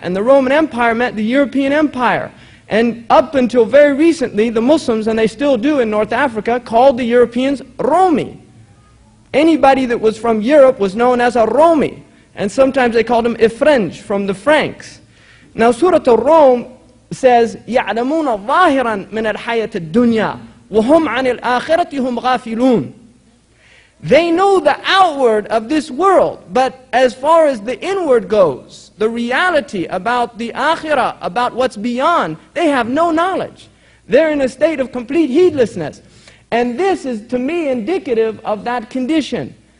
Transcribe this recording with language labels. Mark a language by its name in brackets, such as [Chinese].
[English] And the Roman Empire meant the European Empire. And up until very recently, the Muslims, and they still do in North Africa, called the Europeans Romi. Anybody that was from Europe was known as a Romi. And sometimes they called them Ifrenj from the Franks. Now Surah Ar-Rum says, [Arabic] يَعْلَمُونَ ظَاهِرًا مِنَ الْحَيَةِ الدُّنْيَا وَهُمْ عَنِ الْآخِرَةِ هُمْ غَافِلُونَ. [English] They know the outward of this world, but as far as the inward goes, the reality about the akhirah, about what's beyond, they have no knowledge. They're in a state of complete heedlessness. And this is, to me, indicative of that condition.